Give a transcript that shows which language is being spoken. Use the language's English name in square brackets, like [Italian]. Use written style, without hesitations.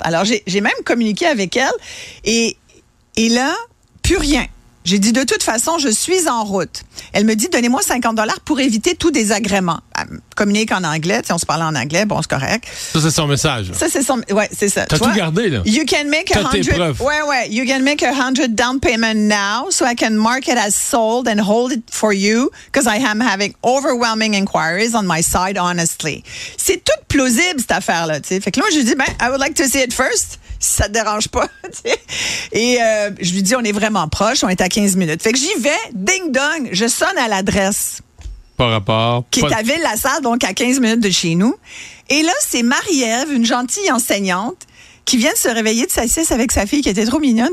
[French] Alors, j'ai même communiqué avec elle. Et là, plus rien. J'ai dit, de toute façon, je suis en route. Elle me dit, donnez-moi 50$ pour éviter tout désagrément. Elle communique en anglais. Si on se parle en anglais, bon, c'est correct. Ça, c'est son message. Ça, c'est son... Ouais, c'est ça. T'as tout gardé, là. [English] You can make [French] t'as 100... tes preuves. Ouais, ouais. [English] You can make a 100 down payment now so I can mark it as sold and hold it for you because I am having overwhelming inquiries on my side, honestly. [French] C'est toute plausible, cette affaire-là, tu sais. Fait que là, je lui dis, ben, [English] I would like to see it first. [French] Si ça te dérange pas. je lui dis, on est vraiment proche, on est à 15 minutes. Fait que j'y vais, ding-dong, je sonne à l'adresse. Par rapport. Qui est à Ville-la-Salle, donc à 15 minutes de chez nous. Et là, c'est Marie-Ève, une gentille enseignante, qui vient de se réveiller de sa sieste avec sa fille qui était trop mignonne.